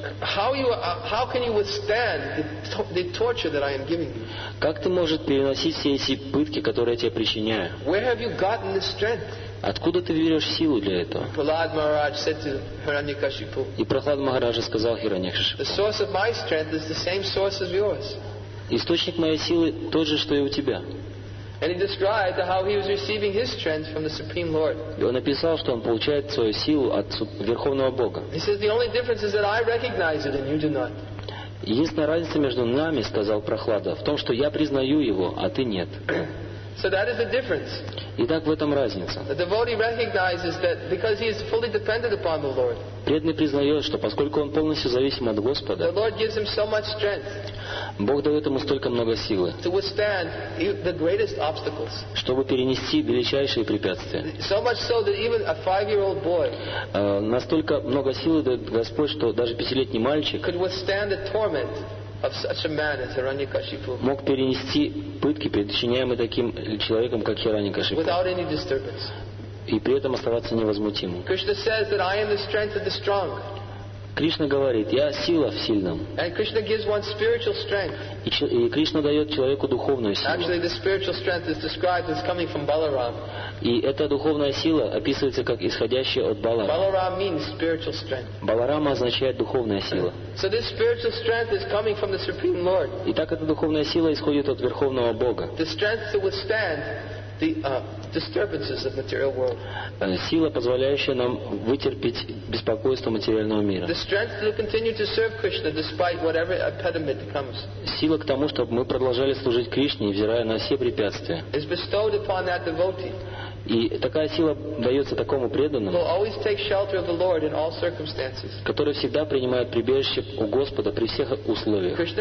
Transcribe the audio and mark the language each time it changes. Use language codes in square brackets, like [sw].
[en] How can you withstand the torture that I am giving you? [ru] Как ты можешь переносить все эти пытки, которые я тебе причиняю? [en] Where have you gotten the strength? [ru] Откуда ты берешь силу для этого? [en] Prahlad Maharaj said to Hiranyakashipu. [ru] И Прохлад Махарадж сказал Хираньякашипу. [en] The source of my strength is the same source as yours. [ru] Источник моей силы тот же, что и у тебя. [en] And he described how he was receiving his strength from the Supreme Lord. [ru] И он написал, что он получает свою силу от Верховного Бога. [en] He says the only difference is that I recognize it and you do not. [ru] Единственная разница между нами, сказал Прохлада, в том, что я признаю его, а ты нет. [en] So that is the difference. [ru] Итак, в этом разница. [en] The devotee recognizes that because he is fully dependent upon the Lord. [ru] Преданный признает, что поскольку он полностью зависим от Господа, [en] the Lord gives him so much strength. [ru] Бог дает ему столько много силы, чтобы перенести величайшие препятствия. [en] So much so that even a five-year-old boy, [ru] настолько много силы дает Господь, что даже пятилетний мальчик [en] could withstand the torment of such a man as Hiranyakashipu, [ru] мог перенести пытки, причиняемые таким человеком, как Хираньякашипу, [en] without any disturbance. [ru] И при этом оставаться невозмутимым. [en] Krishna says that I am the strength of the strong. [ru] Кришна говорит, я сила в сильном. [en] And Krishna gives one spiritual strength. [ru] И Кришна дает человеку духовную силу. [en] Actually, the spiritual strength is described as coming from Balaram. [ru] И эта духовная сила описывается как исходящая от Баларама. [en] Balaram means spiritual strength. [ru] Баларама означает духовная сила. [en] So this spiritual strength is coming from the Supreme Lord. [ru] Итак, эта духовная сила исходит от Верховного Бога. [en] The strength to withstand the disturbances of material world. [ru] Сила, позволяющая нам вытерпеть беспокойство материального мира. [en] The strength to continue to serve Krishna despite whatever impediment comes. [ru] Сила к тому, чтобы мы продолжали служить Кришне, невзирая на все препятствия. [en] Is bestowed upon that devotee. [ru] И такая сила дается такому преданному, который всегда принимает прибежище у Господа при всех условиях.